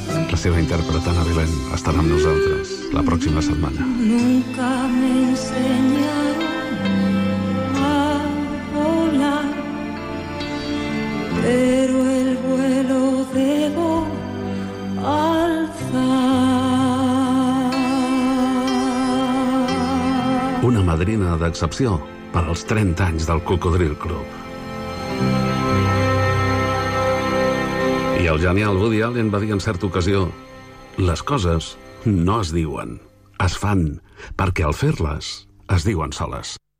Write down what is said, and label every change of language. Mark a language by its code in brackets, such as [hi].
[ca] La seva intèrpret, Anna Vilén, estarà amb nosaltres la pròxima setmana. [es] Nunca me enseñaron a volar, pero el vuelo debo alzar. [ca] Una madrina d'excepció per als 30 anys del Cocodril Club. I el genial Woody Allen va dir en certa ocasió: les coses no es diuen, es fan, perquè al fer-les es diuen soles.